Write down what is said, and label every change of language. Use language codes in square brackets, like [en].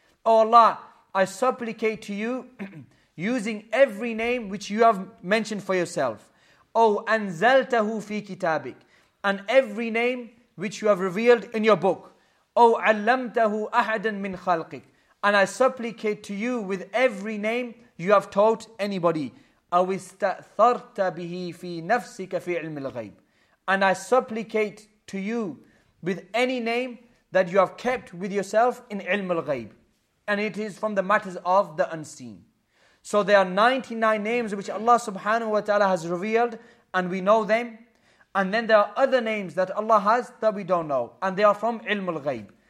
[en] O Allah, I supplicate to you using every name which you have mentioned for yourself. [ar] O anzaltahu fi kitabik. [en] And every name which you have revealed in your book. [ar] O allamtahu ahadan min khalqik. [en] And I supplicate to you with every name you have taught anybody. [ar] أو استأثرت به في نفسك في علم الغيب. [en] And I supplicate to you with any name that you have kept with yourself in علم الغيب. And it is from the matters of the unseen. So there are 99 names which Allah subhanahu wa ta'ala has revealed and we know them. And then there are other names that Allah has that we don't know. And they are from علم الغيب.